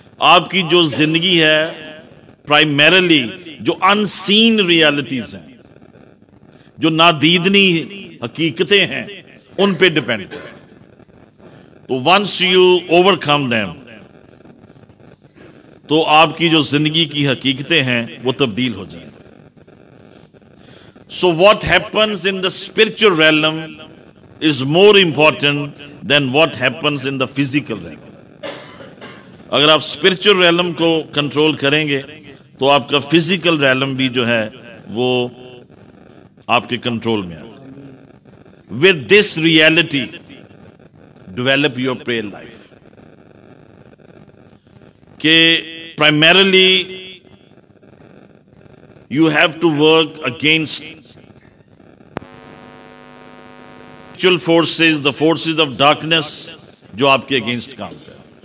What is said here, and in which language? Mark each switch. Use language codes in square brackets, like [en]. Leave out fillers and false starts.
[ur] آپ کی جو زندگی ہے پرائمیرلی جو ان سین ریالٹیز ہیں، جو نادیدنی حقیقتیں ہیں، ان پہ ڈپینڈ کر رہے ہیں. تو [en] once you overcome them [ur] تو آپ کی جو زندگی کی حقیقتیں ہیں وہ تبدیل ہو جائیں. [en] So what happens in the spiritual realm is more important than what happens in the physical realm. [ur] اگر آپ اسپرچل ریلم کو کنٹرول کریں گے تو آپ کا فزیکل ریلم بھی جو ہے وہ آپ کے کنٹرول میں آئے گا. [en] with this reality develop your prayer life کہ primarily you have to work against spiritual forces, the forces of darkness [ur] جو آپ کے اگینسٹ کام کر.